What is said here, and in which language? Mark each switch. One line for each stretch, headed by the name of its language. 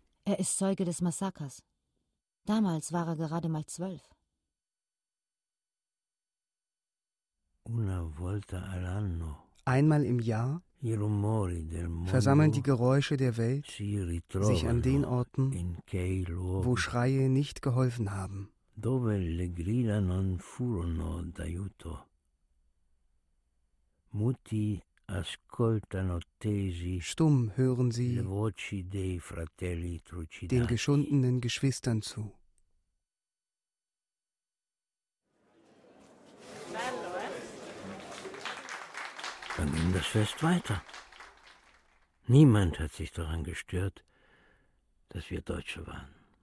German: Er ist Zeuge des Massakers. Damals war er gerade mal 12.
Italian: Una volta all'anno.
German: Einmal im Jahr versammeln die Geräusche der Welt sich an den Orten, wo Schreie nicht geholfen haben.
Italian: Dove le grida non furono d'aiuto. Muti ascoltano tesi.
German: Stumm hören sie den geschundenen Geschwistern zu. Dann ging das Fest weiter. Niemand hat sich daran gestört, dass wir Deutsche waren.